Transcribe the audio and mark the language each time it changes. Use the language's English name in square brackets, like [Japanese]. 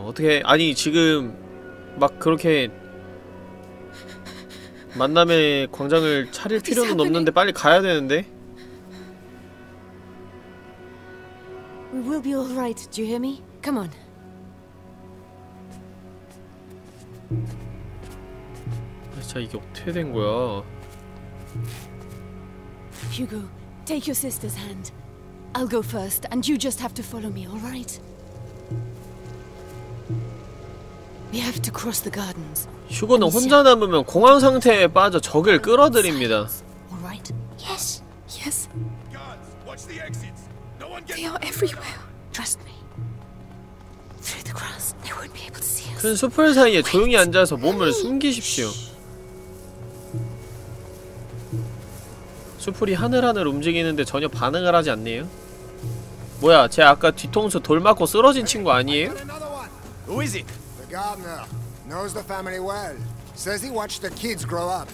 [Korean] 어떻게 아니 지금 막 그렇게 만남의 광장을 차릴 필요는 없는데 빨리 가야 되는데. [English] We will be all right. Do you hear me? Come on. [Korean] 진짜 이게 어떻게 된 거야? [English] Hugo, take your sister's hand. I'll go first and you just have to follow me. All right? We have to cross the gardens. [Korean] 휴고는 혼자 남으면 공황 상태에 빠져 적을 끌어들입니다. [English] All right. Yes. Yes. Guards, watch the exits. No one gets. They are everywhere. Trust me. Through the grass, they won't be able to see us. [Korean] 큰 숲을 사이에 조용히 앉아서 몸을 숨기십시오. 숲풀이 하늘하늘 움직이는데 전혀 반응을 하지 않네요. 뭐야, 쟤 아까 뒤통수 돌 맞고 쓰러진 친구 아니에요? [English] Who is it? Gardner knows the family well. Says he watched the kids grow up.